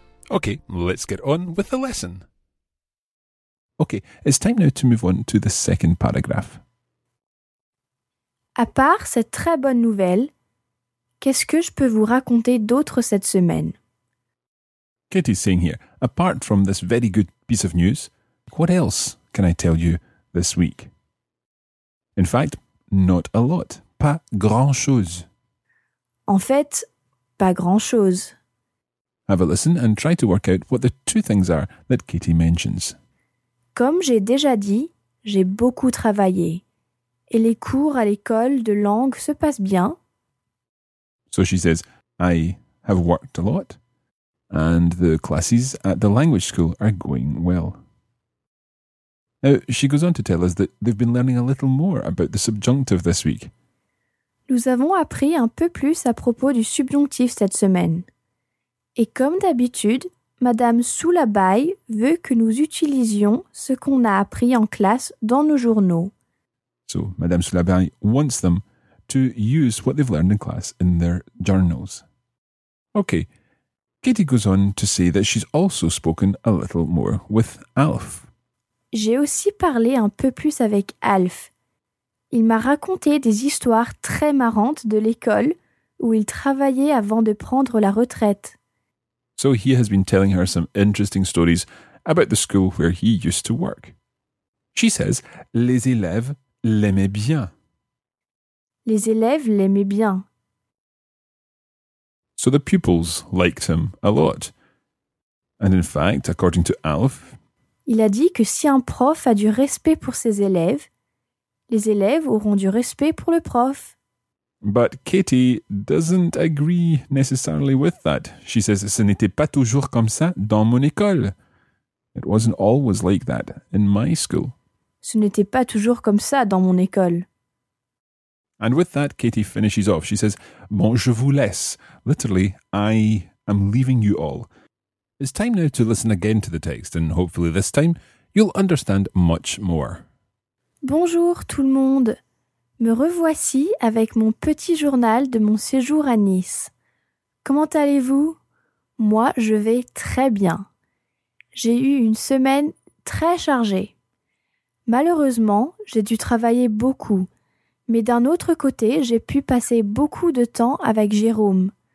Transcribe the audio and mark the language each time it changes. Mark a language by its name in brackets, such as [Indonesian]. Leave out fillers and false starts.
[English] Okay, let's get on with the lesson. Okay, it's time now to move on to the second paragraph. [French] À part cette très bonne nouvelle, qu'est-ce que je peux vous raconter d'autre cette semaine? [English] Katie's saying here, apart from this very good piece of news, what else can I tell you this week? In fact, not a lot, [French] pas grand-chose. En fait, pas grand-chose. [English] Have a listen and try to work out what the two things are that Katie mentions. [French] Comme j'ai déjà dit, j'ai beaucoup travaillé. Et les cours à l'école de langue se passent bien. [English] So she says, I have worked a lot. And the classes at the language school are going well. Now, she goes on to tell us that they've been learning a little more about the subjonctive this week. [French] Nous avons appris un peu plus à propos du subjonctif cette semaine. Et comme d'habitude, Madame Soulabaille veut que nous utilisions ce qu'on a appris en classe dans nos journaux. [English] So, Madame Soulabaille wants them to use what they've learned in class in their journals. Okay, Katie goes on to say that she's also spoken a little more with Alf. [French] J'ai aussi parlé un peu plus avec Alf. Il m'a raconté des histoires très marrantes de l'école où il travaillait avant de prendre la retraite. [English] So he has been telling her some interesting stories about the school where he used to work. She says, [French] les élèves l'aimaient bien. Les élèves l'aimaient bien. [English] So the pupils liked him a lot. And in fact, according to Alf, [French] il a dit que si un prof a du respect pour ses élèves, les élèves auront du respect pour le prof. [English] But Katie doesn't agree necessarily with that. She says, [French] ce n'était pas toujours comme ça dans mon école. [English] It wasn't always like that in my school. [French] Ce n'était pas toujours comme ça dans mon école. [English] And with that, Katie finishes off. She says, [French] bon, je vous laisse. [English] Literally, I am leaving you all. It's time now to listen again to the text, and hopefully this time, you'll understand much more. [French] Bonjour tout le monde. Me revoici avec mon petit journal de mon séjour à Nice. Comment allez-vous? Moi, je vais très bien. J'ai eu une semaine très chargée. Malheureusement, j'ai dû travailler beaucoup, mais d'un autre côté, j'ai pu passer beaucoup de temps avec Jérôme.